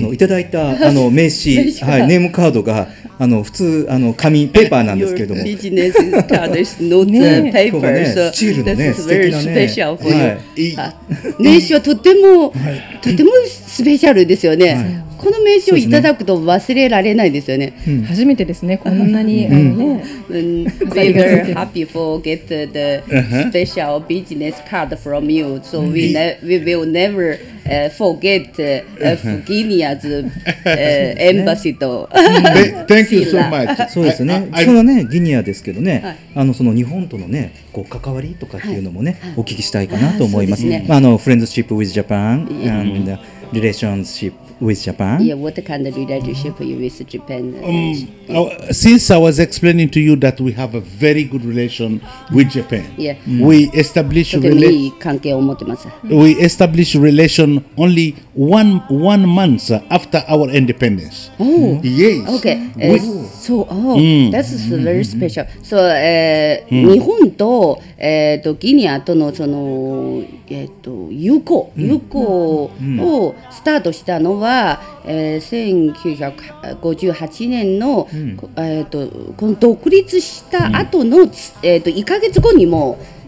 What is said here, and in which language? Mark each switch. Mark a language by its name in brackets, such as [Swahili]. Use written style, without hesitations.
[Japanese] いただいたあの名刺、はい、ネームカードが普通紙ペーパーなんですけれども。ビジネスカードです。ノーツペーパー。スチールのね。素敵なね。スペシャルフォーユー。名刺はとてもスペシャルですよね。この名刺をいただくと忘れられないですよね。初めてですね、こんなに。 [English] We were happy for get the special business card from you. So we will never forget Guinea's ambassador. Thank you so much. [Japanese] そうですね。そのね、ギニアですけどね、その日本とのね、こう関わりとかっていうのもね、お聞きしたいかなと思います。 [English] Friendship with Japan and relationship. With Japan? Yeah, what kind of relationship are you with Japan? Since I was explaining to you that we have a very good relation with Japan, we establish relation only one month after our independence. Oh, yes. Okay. That's very special. [Japanese] So, 日本と、ギニアとのその友好をスタートしたのは1958年の、この独立した後の、1ヶ月後にも、